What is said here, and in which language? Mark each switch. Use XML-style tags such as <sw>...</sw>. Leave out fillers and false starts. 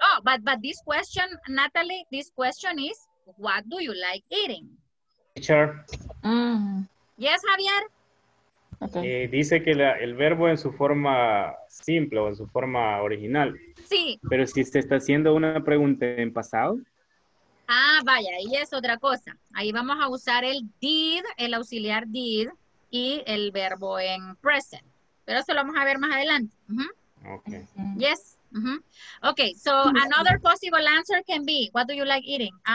<en>Oh, but this question, Natalie, this question is, what do you like eating? Teacher. Yes, Javier? Okay.</en> <es>Dice que el verbo en su forma simple o en su forma original. Sí. Pero si se está haciendo una pregunta en pasado. Ah, vaya, ahí es otra cosa. Ahí vamos a usar el did, el auxiliar did, y el verbo en present. Pero eso lo vamos a ver más adelante.</es> <en>Okay. Yes. Okay, so another possible answer can be, what do you like eating?</en>